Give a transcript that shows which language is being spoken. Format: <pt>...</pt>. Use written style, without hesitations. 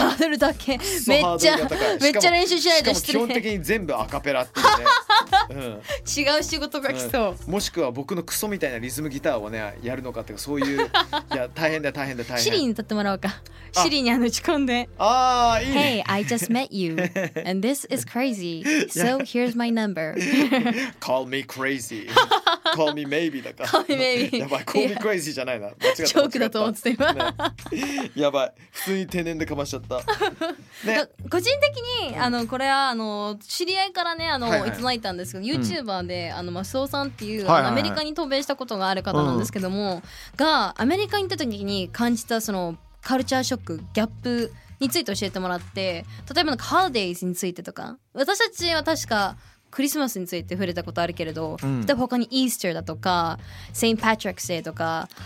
<ja>ハードルだけめっちゃめっちゃ練習しないと失礼、しかも基本的に全部アカペラっていうね、うん、違う仕事が来そう、うん、もしくは僕のクソみたいなリズムギターをねやるのかっていうかそういういや大変だ大変だ大変シリーに歌ってもらおうか、シリーに打ち込んで、ああいいね、</ja> <en>Hey I just met you and this is crazy so here's my number call me crazy call me maybe だか call me maybe</en> <ja>やばい</ja> <en>call me crazy</en> <ja>じゃないな、チョークだと思ってた今、ね、やばい普通に天然でかましちゃった、ね、個人的にあのこれはあの知り合いからねあの、はいはい、いただいたんですけど、うん、YouTuber であのマスオさんっていう、はいはいはい、アメリカに渡米したことがある方なんですけども、うん、がアメリカに行った時に感じたそのカルチャーショックギャップについて教えてもらって、例えばハーディーズについてとか、私たちは確かクリスマスについて触れたことあるけれど、うん、例えば他にイースターだとかセインパトリックスデーとか</ja>